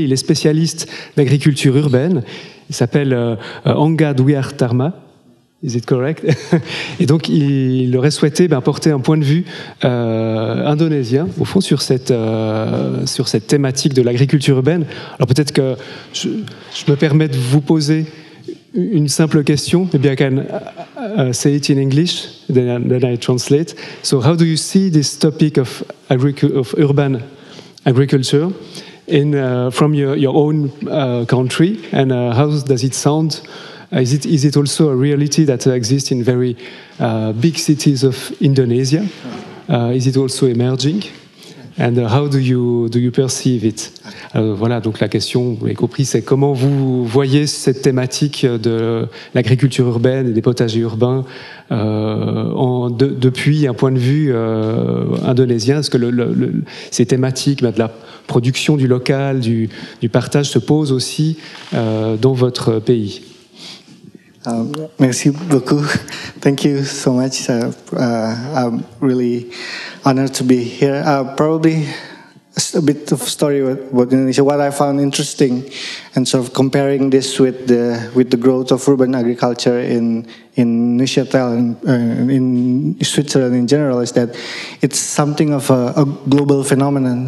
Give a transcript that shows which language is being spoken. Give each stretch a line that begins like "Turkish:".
French: Il est spécialiste d'agriculture urbaine. Il s'appelle Anga Duyartharma.
English: Is it correct?
French: Et donc, il aurait souhaité apporter un point de vue indonésien, au fond, sur cette thématique de l'agriculture urbaine. Alors, peut-être que je me permets de vous poser une simple question.
English: Maybe I can say it in English, then I translate. So, how do you see this topic of urban agriculture in from your own country, and how does it sound? Is it also a reality that exists in very big cities of Indonesia? Is it also emerging? And how do you perceive it?
French: Voilà, donc la question, vous l'avez compris, c'est comment vous voyez cette thématique de l'agriculture urbaine et des potagers urbains depuis un point de vue indonésien? Est-ce que ces thématiques de la production du local, du partage, se posent aussi dans votre pays? Merci beaucoup.
English: Thank you so much. I'm really honored to be here. Probably a bit of story about Indonesia. What I found interesting, and sort of comparing this with the growth of urban agriculture in Neuchâtel and in Switzerland in general, is that it's something of a global phenomenon.